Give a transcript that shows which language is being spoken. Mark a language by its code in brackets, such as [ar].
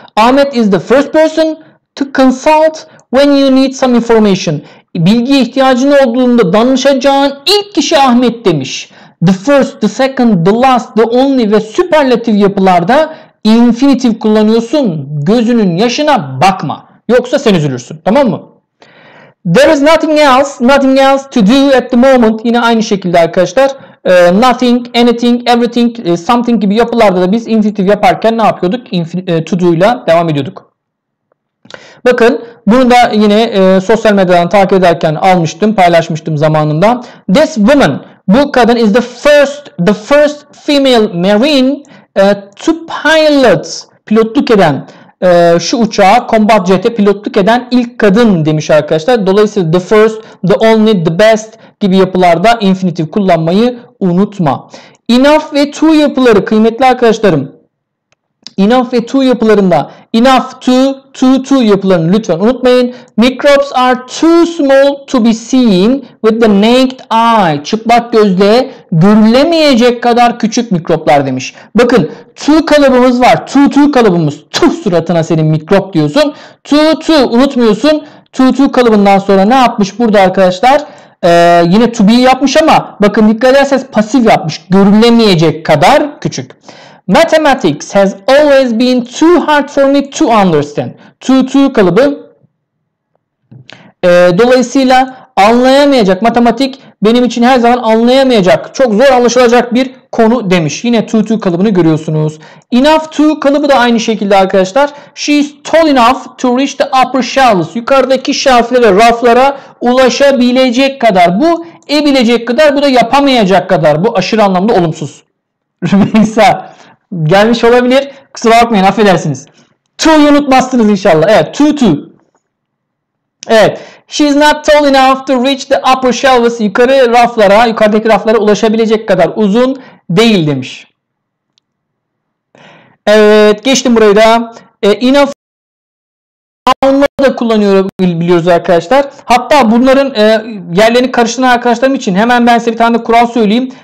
[en] Ahmet is the first person to consult when you need some information. [tr] Bilgiye ihtiyacın olduğunda danışacağın ilk kişi Ahmet demiş. [en] The first, the second, the last, the only [tr] ve superlative yapılarda infinitive kullanıyorsun. Gözünün yaşına bakma. Yoksa sen üzülürsün. Tamam mı? [en] There is nothing else, nothing else to do at the moment. [tr] Yine aynı şekilde arkadaşlar. [en] Nothing, anything, everything, something [tr] gibi yapılarda da biz infinitive yaparken ne yapıyorduk? [en] To do [tr] ile devam ediyorduk. Bakın bunu da yine sosyal medyadan takip ederken almıştım, paylaşmıştım zamanında. [en] This woman, [tr] bu kadın [en] is the first female marine to pilot, [tr] pilotluk eden şu uçağı, combat jet'e pilotluk eden ilk kadın demiş arkadaşlar. Dolayısıyla [en] the first, the only, the best [tr] gibi yapılarda infinitive kullanmayı unutma. Enough ve to yapıları kıymetli arkadaşlarım. Enough ve to yapılarında enough to yapılarını lütfen unutmayın. [en] Microbes are too small to be seen with the naked eye. [tr] Çıplak gözle görülemeyecek kadar küçük mikroplar demiş. Bakın to kalıbımız var. To kalıbımız. Tuh suratına senin mikrop diyorsun. To unutmuyorsun. To kalıbından sonra ne yapmış burada arkadaşlar? Yine to be yapmış ama bakın dikkat ederseniz pasif yapmış. Görülemeyecek kadar küçük. [en] Mathematics has always been too hard for me to understand. [tr] Too kalıbı. Dolayısıyla anlayamayacak. Matematik benim için her zaman anlayamayacak. Çok zor anlaşılacak bir konu demiş. Yine too kalıbını görüyorsunuz. Enough to kalıbı da aynı şekilde arkadaşlar. [en] She is tall enough to reach the upper shelves. [tr] Yukarıdaki şelflere, raflara ulaşabilecek kadar. Bu ebilecek kadar. Bu da yapamayacak kadar. Bu aşırı anlamda olumsuz. Rümeysa gelmiş olabilir. Kusura bakmayın, affedersiniz. To'yu unutmazsınız inşallah. Evet, to. Evet. [en] She's not tall enough to reach the upper shelves. [tr] Yukarı raflara, yukarıdaki raflara ulaşabilecek kadar uzun değil demiş. Evet, geçtim burayı da. Enough da kullanıyorum biliyoruz arkadaşlar. Hatta bunların yerlerini karıştıran arkadaşlarım için hemen ben size bir tane de kural söyleyeyim.